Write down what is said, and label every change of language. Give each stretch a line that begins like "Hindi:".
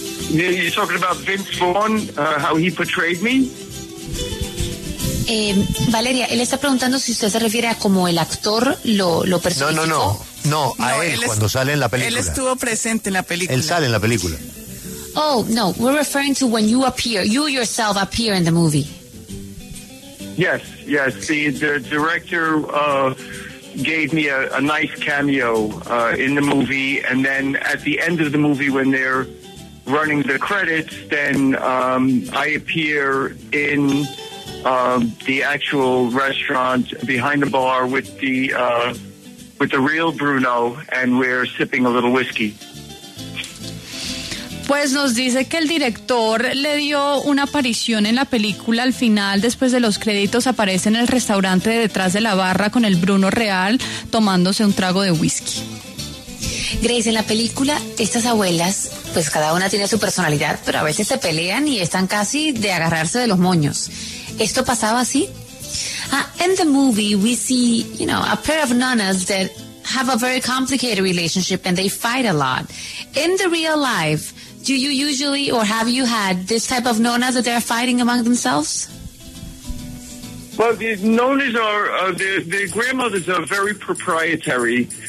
English: You're talking about Vince Vaughn, how he portrayed me?
Spanish: Valeria, él está preguntando si usted se refiere a cómo el actor lo personificó. No, él cuando sale en la película. Él estuvo presente en la película. Él sale en la película.
English: Oh, no, we're referring to when you yourself appear in the movie. Yes, yes, the director gave me a nice cameo in the movie, and then at the end of the movie when they're running the credits, then I appear in the actual restaurant behind the bar with the real Bruno, and we're sipping a little whiskey.
Spanish: Pues nos dice que el director le dio una aparición en la película al final, después de los créditos aparece en el restaurante detrás de la barra con el Bruno real tomándose un trago de whiskey. Grace, en la película estas abuelas, pues cada una tiene su personalidad, pero a veces se pelean y están casi de agarrarse de los moños. ¿Esto pasaba así?
English: In the movie, we see, you know, a pair of nunas that have a very complicated relationship and they fight a lot. In the real life, do you usually or have you had this type of nunas that they're fighting among themselves? Well, the nunas are, the grandmothers are very proprietary.